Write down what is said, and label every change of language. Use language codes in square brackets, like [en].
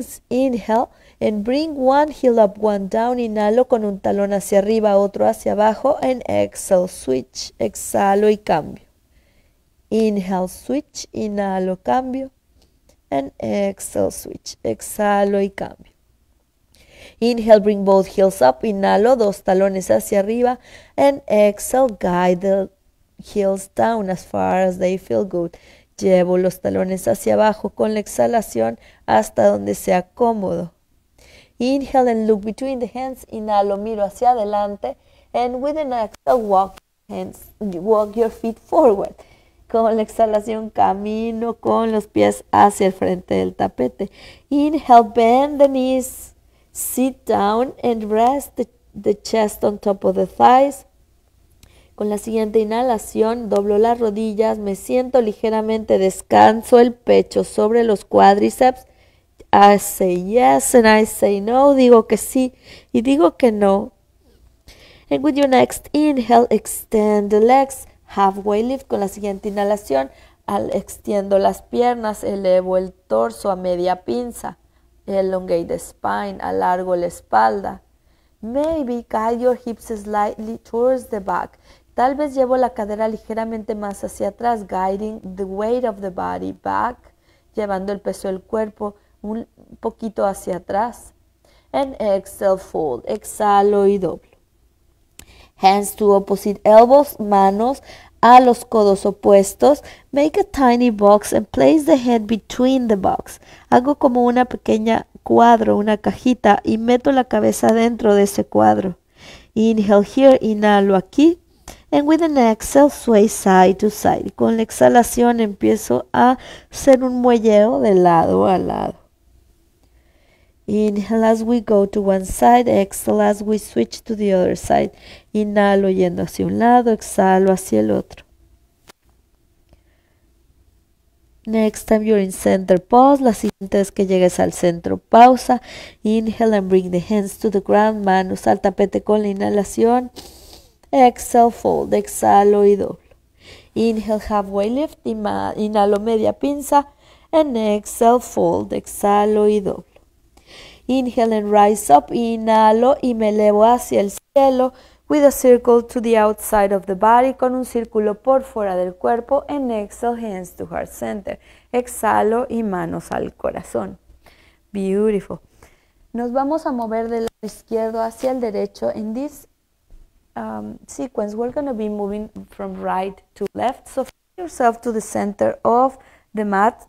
[en] Inhale and bring one heel up, one down. [es] Inhalo con un talón hacia arriba, otro hacia abajo. [en] And exhale, switch. [es] Exhalo y cambio. [en] Inhale, switch. [es] Inhalo, cambio. [en] And exhale, switch. [es] Exhalo y cambio. [en] Inhale, bring both heels up. [es] Inhalo, dos talones hacia arriba. [en] And exhale, guide the heels down as far as they feel good. [es] Llevo los talones hacia abajo con la exhalación hasta donde sea cómodo. [en] Inhale and look between the hands. [es] Inhalo, miro hacia adelante. [en] And with an exhale, walk your feet forward. [es] Con la exhalación camino con los pies hacia el frente del tapete. [en] Inhale, bend the knees. Sit down and rest the chest on top of the thighs. [es] Con la siguiente inhalación, doblo las rodillas, me siento ligeramente, descanso el pecho sobre los cuádriceps. [en] I say yes and I say no. [es] Digo que sí y digo que no. [en] And with your next inhale, extend the legs. Halfway lift. [es] Con la siguiente inhalación, extiendo las piernas, elevo el torso a media pinza. [en] Elongate the spine, [es] alargo la espalda. [en] Maybe guide your hips slightly towards the back. [es] Tal vez llevo la cadera ligeramente más hacia atrás, [en] guiding the weight of the body back, [es] llevando el peso del cuerpo un poquito hacia atrás. [en] And exhale, fold. [es] Exhalo y doblo. [en] Hands to opposite elbows, [es] manos a los codos opuestos. [en] Make a tiny box and place the head between the box. [es] Hago como una pequeña cuadro, una cajita, y meto la cabeza dentro de ese cuadro. [en] Inhale here, [es] inhalo aquí. [en] And with an exhale, sway side to side. [es] Con la exhalación empiezo a hacer un muelleo de lado a lado. [en] Inhale as we go to one side, exhale as we switch to the other side. [es] Inhalo yendo hacia un lado, exhalo hacia el otro. [en] Next time you're in center, pause. [es] La siguiente vez que llegues al centro, pausa. [en] Inhale and bring the hands to the ground, [es] manos al tapete con la inhalación. [en] Exhale, fold, [es] exhalo y doblo. [en] Inhale, halfway lift, [es] inhalo media pinza. [en] And exhale, fold, [es] exhalo y doblo. [en] Inhale and rise up, [es] inhalo y me elevo hacia el cielo [en] with a circle to the outside of the body, [es] con un círculo por fuera del cuerpo, [en] and exhale, hands to heart center. [es] Exhalo y manos al corazón. Beautiful. Nos vamos a mover del lado izquierdo hacia el derecho. [en] In this sequence, we're going to be moving from right to left. So, find yourself to the center of the mat.